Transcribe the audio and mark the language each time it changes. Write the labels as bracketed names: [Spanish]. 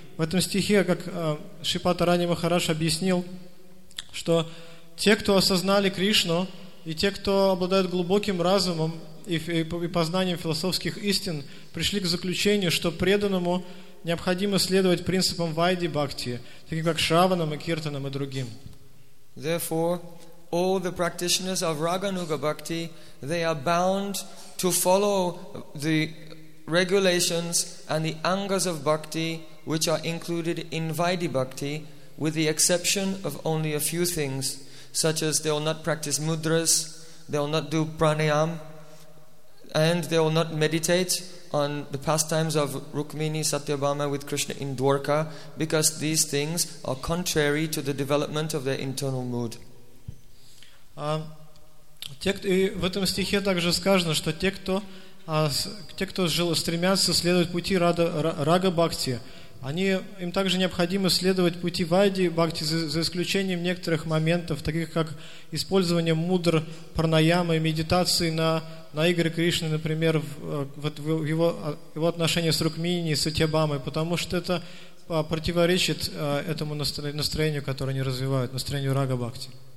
[Russian] В этом стихе, как Шипата Рани Махарадж объяснил, что те, кто осознали Кришну, и те, кто обладают глубоким разумом и познанием философских истин, пришли к заключению, что преданному необходимо следовать принципам Вайди Бхакти, таким как Шраванам и Киртанам и другим. [English] Therefore, all the practitioners of Raganuga Bhakti, they are bound to follow the regulations and the angas of Bhakti which are included in Vaidhi Bhakti, with the exception of only a few things, such as they will not practice mudras, they will not do pranayam, and they will not meditate on the pastimes of Rukmini Satyabhama with Krishna in Dwarka, because these things are contrary to the development of their internal mood. [Russian] И в этом стихе также сказано, что те, кто стремятся следовать пути Рага Бхакти, им также необходимо следовать пути Вайди Бхакти, за исключением некоторых моментов, таких как использование мудр, пранаямы, медитации на игры Кришны, например, в его отношении с Рукмини и Сатьябамой, потому что это противоречит этому настроению, которое они развивают, настроению Рага Бхакти.